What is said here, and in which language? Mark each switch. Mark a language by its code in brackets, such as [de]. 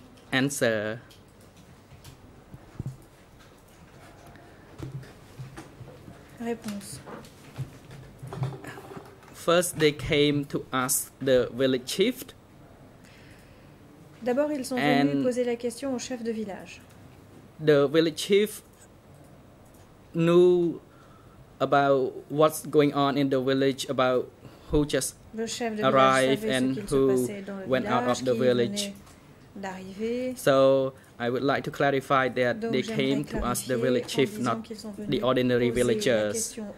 [en] Answer. [fr] Réponse. [en] First, they came to ask the village chief. [fr] D'abord, ils sont venus poser la question au chef de village. [en] The village chief knew about what's going on in the village, about who just arrived and who went out of the village. So I would like to clarify that they came to ask the village chief, not the ordinary villagers.